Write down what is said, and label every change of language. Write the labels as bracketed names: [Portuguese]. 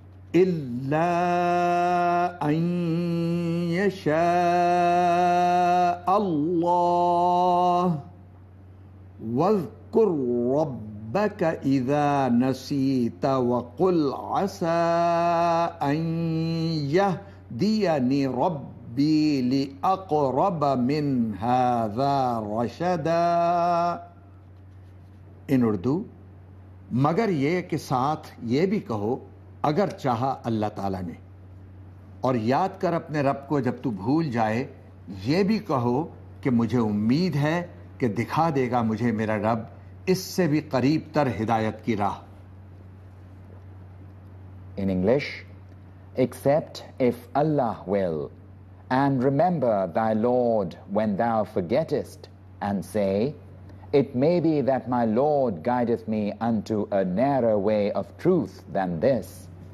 [Arabic] إلا أن يشاء الله واذكر ربك إذا نسيت وقل عسى أن يهديني ربي لأقرب من هذا رشدا. [English] In Urdu, [Urdu] مگر یہ کے ساتھ یہ بھی کہو اگر چاہا اللہ تعالیٰ نے، اور یاد کر اپنے رب کو جب تو بھول جائے، یہ بھی کہو کہ مجھے امید ہے کہ دکھا دے گا مجھے میرا رب اس سے بھی قریب تر ہدایت کی راہ. [English] In English, except if Allah will, and remember thy Lord when thou forgettest, and say, it may be that my Lord guideth me unto a narrow way of truth than this.